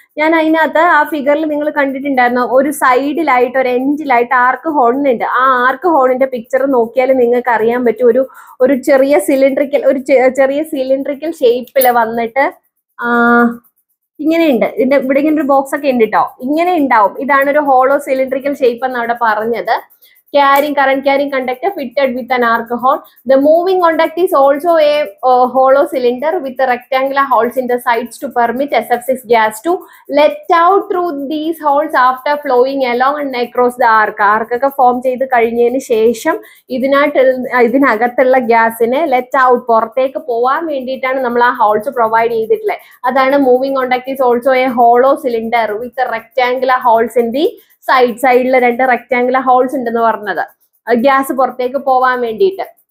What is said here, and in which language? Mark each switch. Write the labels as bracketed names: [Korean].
[Malayalam] ഞാൻ അതിനകത്ത് ആ ഫിഗറിൽ നിങ്ങൾ കണ്ടിട്ടുണ്ടായിരുന്നു, ഒരു സൈഡിലായിട്ട് ഒരു എൻഡിലായിട്ട് ആർക്ക് ഹോണിനുണ്ട്. ആ ആർക്ക് ഹോണിന്റെ പിക്ചർ നോക്കിയാൽ നിങ്ങൾക്ക് അറിയാൻ പറ്റും, ഒരു ഒരു ചെറിയ സിലിണ്ടറിക്കൽ ഒരു ചെറിയ സിലിണ്ടറിക്കൽ ഷേപ്പിൽ വന്നിട്ട് ഇങ്ങനെയുണ്ട്. ഇതിന്റെ ഇവിടെ ഇങ്ങനെ ഒരു ബോക്സ് ഒക്കെ ഉണ്ട് കേട്ടോ, ഇങ്ങനെ ഉണ്ടാവും. ഇതാണ് ഒരു ഹോളോ സിലിണ്ടറിക്കൽ ഷേപ്പ് എന്ന് അവിടെ പറഞ്ഞത്. [English] Carrying current carrying conductor fitted with an arc horn. The moving conduct is also a hollow cylinder with rectangular holes in the sides to permit SF6 gas to let out through these holes after flowing along and across the arc. [Malayalam] Arc ഒക്കെ form ചെയ്ത് കഴിഞ്ഞതിന് ശേഷം ഇതിനകത്തുള്ള ഗ്യാസിനെ let out പുറത്തേക്ക് പോവാൻ വേണ്ടിയിട്ടാണ് നമ്മൾ ആ ഹോൾസ് പ്രൊവൈഡ് ചെയ്തിട്ടുള്ളത്. അതാണ് [English] moving contact is also a hollow cylinder with rectangular holes in the [Malayalam] സൈഡിലെ രണ്ട് റെക്ടാംഗുലർ ഹോൾസ് ഉണ്ടെന്ന് പറഞ്ഞത് ഗ്യാസ് പുറത്തേക്ക് പോവാൻ വേണ്ടിയിട്ട്.